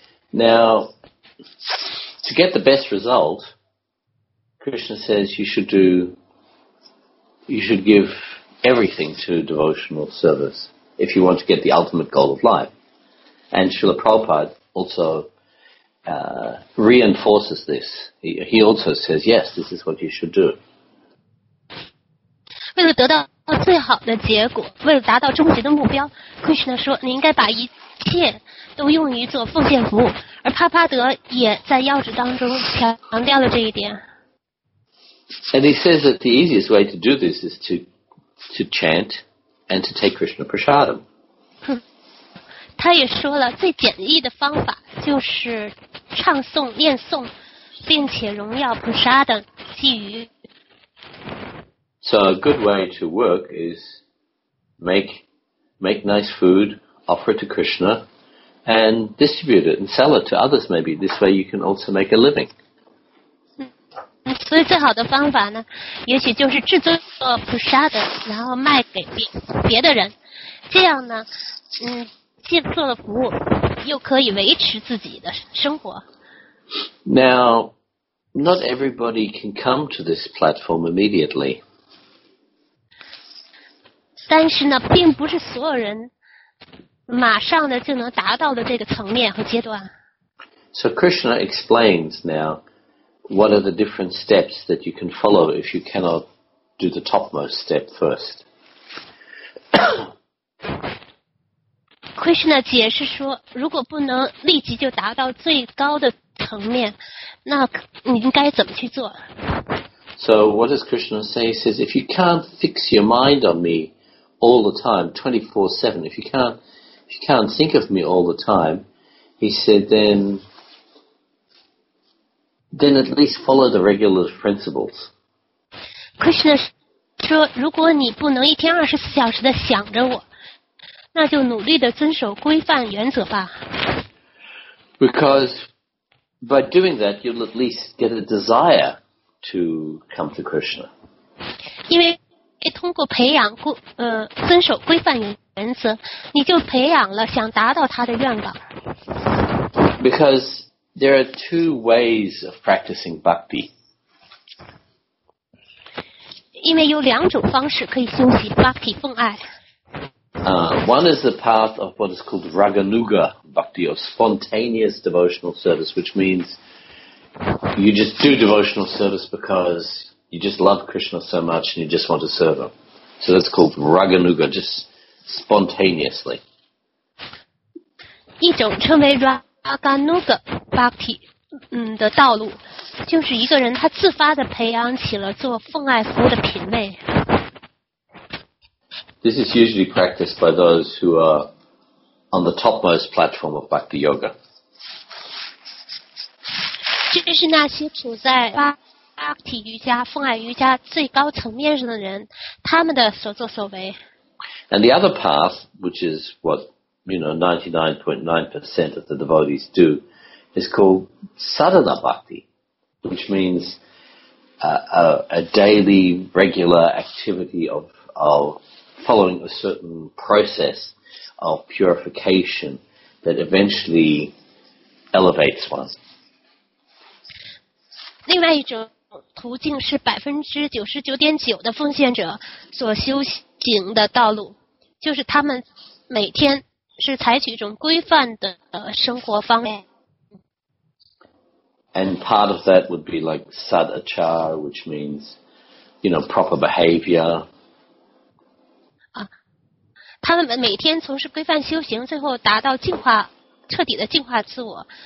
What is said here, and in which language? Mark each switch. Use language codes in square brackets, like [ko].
[en] Now, to get the best result, Krishna says you should give everything to devotional service if you want to get the ultimate goal of life. And Srila Prabhupada also reinforces this. He also says, yes, this is what you should do. [zh] 为了得到最好的结果，为了达到终极的目标， Krishna 说你应该把一切都用于做奉献服务，而帕帕德也在要旨当中强调了这一点。 [en] And he says that the easiest way to do this is to chant and to take Krishna prasadam. [zh] 他也说了最简易的方法就是唱诵念诵，并且荣耀 prasadam 寄予。 [en] So a good way to work is make nice food, offer it to Krishna, and distribute it and sell it to others maybe. This way you can also make a living. [zh] 所以最好的方法呢，也许就是制作普沙的，然后卖给别的人，这样呢，既做了服务，又可以维持自己的生活。 [en] Now, not everybody can come to this platform immediately. [zh] 但是呢，并不是所有人马上的就能达到的这个层面和阶段。 [en] So Krishna explains now what are the different steps that you can follow if you cannot do the topmost step first. [zh] Krishna 解释说，如果不能立即就达到最高的层面，那你应该怎么去做？ [en] So what does Krishna say? He says, if you can't fix your mind on me all the time, 24/7, if you can't think of me all the time, he said, then at least follow the regular principles. [zh] Krishna 说，如果你不能一天24小时的想着我，那就努力的遵守规范原则吧。 [en] Because by doing that, you'll at least get a desire to come to Krishna. [zh] 因为通过培养遵守规范原则，你就培养了想达到他的愿望。 [en] Because there are two ways of practicing bhakti. [zh] 因为有两种方式可以修习 bhakti 奉爱。 [en] One is the path of what is called raganuga bhakti, or spontaneous devotional service, which means you just do devotional service because you just love Krishna so much and you just want to serve him. So that's called raganuga, just spontaneously. [zh] 一种称为 raganuga bhakti 的道路，就是一个人他自发地培养起了做奉爱服务的品味。 [en] This is usually practiced by those who are on the topmost platform of Bhakti Yoga. [zh] 这是那些处在 Bhakti 瑜伽、奉爱瑜伽最高层面上的人，他们的所作所为。 [en] And the other path, which is what, you know, 99.9% of the devotees do, is called Sadhana Bhakti, which means a daily regular activity of following a certain process of purification that eventually elevates one. [zh] 另外一种途径是 99.9% 的奉献者所修行的道路，就是他们每天是采取一种规范的生活方式。 [en] And part of that would be like sadachar, which means, you know, proper behavior. [zh] 他们每天从事规范修行，最后达到净化，彻底的净化自我。